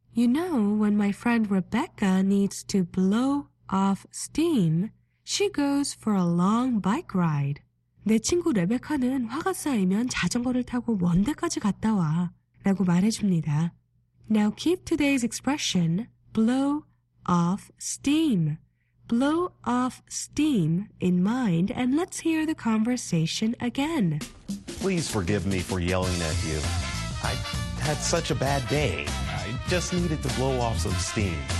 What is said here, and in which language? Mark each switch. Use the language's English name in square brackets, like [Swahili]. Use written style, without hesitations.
[English] You know, when my friend Rebecca needs to blow off steam... She goes for a long bike ride. [Korean] 내 친구 레베카는 화가 쌓이면 자전거를 타고 원대까지 갔다 와 라고 말해줍니다. [English] Now keep today's expression, blow off steam. Blow off steam in mind and let's hear the conversation again. Please forgive me for yelling at you. I had such a bad day. I just needed to blow off some steam.